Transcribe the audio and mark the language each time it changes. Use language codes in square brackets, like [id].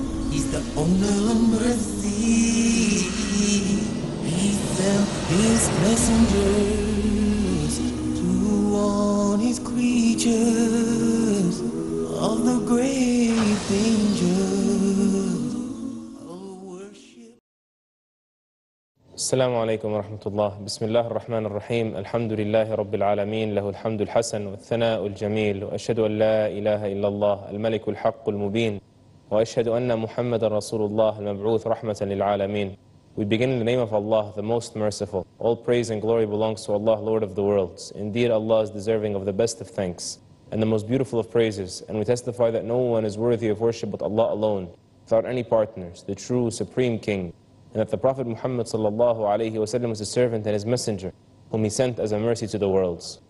[en] He's the owner of mercy. He sent his messengers to warn his creatures of the great dangers of worship. [ar] السلام عليكم ورحمة الله. بسم الله الرحمن الرحيم. الحمد لله رب العالمين، له الحمد الحسن والثناء الجميل، وأشهد أن لا إله إلا الله الملك الحق المبين، وأشهد أن محمد رسول الله المبعوث رحمة للعالمين. [en] We begin in the name of Allah, the Most Merciful. All praise and glory belongs to Allah, Lord of the Worlds. Indeed, Allah is deserving of the best of thanks and the most beautiful of praises. And we testify that no one is worthy of worship but Allah alone, without any partners, the true supreme king. And that the Prophet Muhammad sallallahu alayhi wa sallam was his servant and his messenger, whom he sent as a mercy to the worlds.